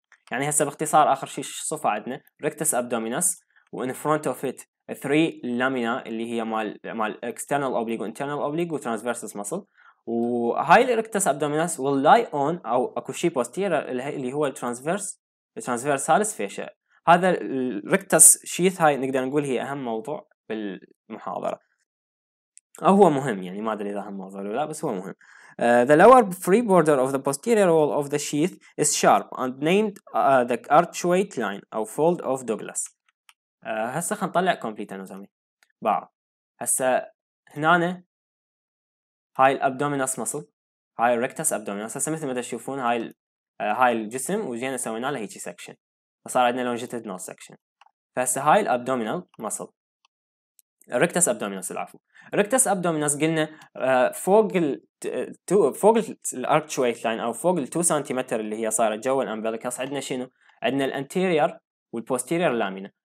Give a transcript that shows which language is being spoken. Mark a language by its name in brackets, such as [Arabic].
[Arabic] يعني هسه باختصار اخر شيء صفه عندنا ريكتس ابدومينس وان فرونت اوف ات 3 لامينا اللي هي مال اكسترنال اوبليك وانترنال اوبليك وترانسفيرسس مصل، وهاي الريكتس ابدومينس واللاي اون او اكو شيء بوستيرير لها اللي هو الترانسفيرسالس فيشا. هذا الريكتس شيث هاي نقدر نقول هي اهم موضوع بالمحاضره، او هو مهم يعني ما ادري اذا اهم موضوع ولا لا بس هو مهم. [English] The lower free border of the posterior wall of the sheath is sharp and named the archweight line او fold of Douglas. [Arabic] هسه خلينا نطلع كومبليت انوتومي بعض. هسه هنا هاي الابدومينس مسل، هاي الريكتس ابدومينس. هسه مثل ما تشوفون هاي الجسم وجينا سوينا له هيك سكشن، صار عندنا longitudinal section. فهسه هاي الابدومينال مصل الريكتس ابدومينس، العفو الريكتس ابدومينس قلنا فوق الارتشويت لاين او فوق ال 2 سنتيمتر اللي هي صارت جوا الامبليكس، عندنا شنو؟ عندنا الانتيرير والبوستيرير لامينا.